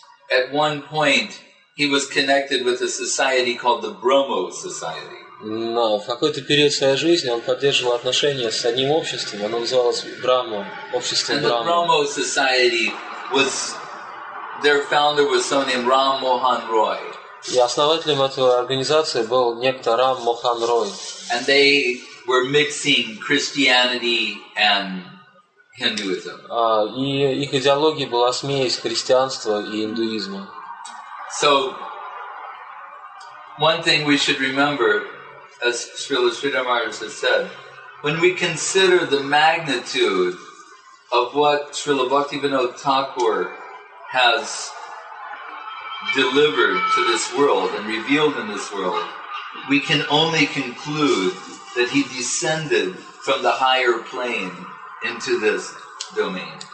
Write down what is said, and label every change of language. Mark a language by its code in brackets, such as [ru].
[en] At one point, he was connected with a society called the Brahmo Society. [ru] Но в какой-то период своей жизни он поддерживал отношения с одним обществом, оно называлось Брахмо, общество Брахмо. [en] And the Brahmo Society was, their founder was someone named Ram Mohan Roy. [ru] И основателем этой организации был некто Рам Мохан Рой. [en] And they were mixing Christianity and Hinduism. [ru] И их идеология была смесь христианства и индуизма. [en] So, one thing we should remember, as Srila Sridhar Maharaj has said, when we consider the magnitude of what Srila Bhaktivinoda Thakur has delivered to this world and revealed in this world, we can only conclude that he descended from the higher plane into this domain.